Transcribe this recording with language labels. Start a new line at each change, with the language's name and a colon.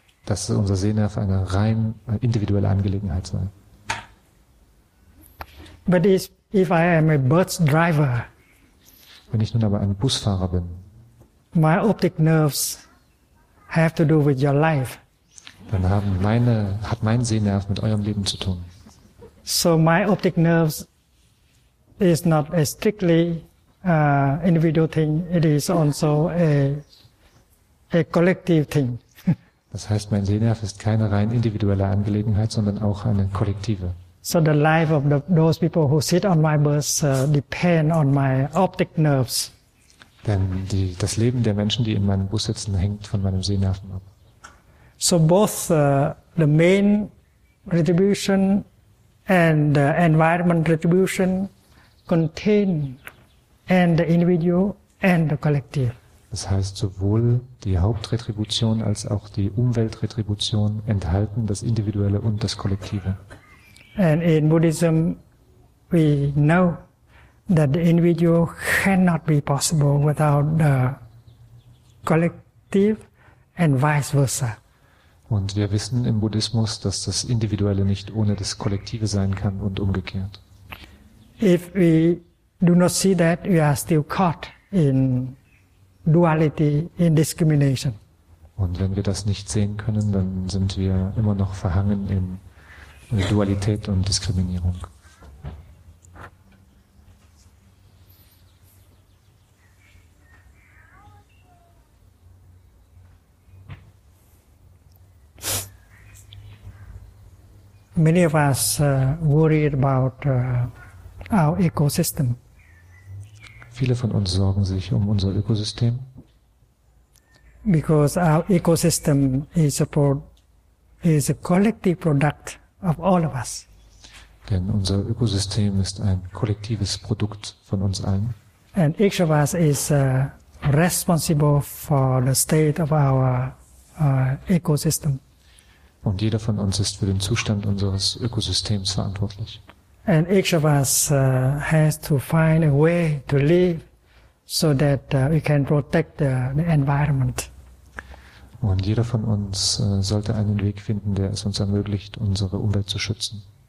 German: Dass unser Sehnerv eine rein individuelle Angelegenheit sei.
English: But if I am a bus driver,
German: wenn ich nun aber ein Busfahrer bin,
English: my optic nerves have to do with your life.
German: Dann hat mein Sehnerv mit eurem Leben zu tun.
English: So my optic nerves is not a strictly individual thing. It is also a collective thing.
German: Das heißt, mein Sehnerv ist keine rein individuelle Angelegenheit, sondern auch eine kollektive.
English: So the life of those people who sit on my bus depend on my optic nerves.
German: Denn das Leben der Menschen, die in meinem Bus sitzen, hängt von meinem Sehnerven ab.
English: So both the main retribution and the environment retribution contain and the individual and the collective.
German: Das heißt, sowohl die Hauptretribution als auch die Umweltretribution enthalten das Individuelle und das Kollektive.
English: And in Buddhism we know that the individual cannot be possible without the collective and vice versa.
German: Und wir wissen im Buddhismus, dass das Individuelle nicht ohne das Kollektive sein kann und umgekehrt.
English: If we do not see that, we are still caught in duality, in discrimination.
German: Und wenn wir das nicht sehen können, dann sind wir immer noch verhangen in Dualität und Diskriminierung.
English: Many of us worried about our ecosystem.
German: Viele von uns sorgen sich um unser Ökosystem.
English: Because our ecosystem is a collective product of all of us.
German: Denn unser Ökosystem ist ein kollektives Produkt von uns allen.
English: And each of us is responsible for the state of our ecosystem.
German: Und jeder von uns ist für den Zustand unseres Ökosystems verantwortlich.
English: And each of us has to find a way to live so that we can protect the environment.
German: Und jeder von uns sollte einen Weg finden, der es uns ermöglicht, unsere Umwelt zu schützen.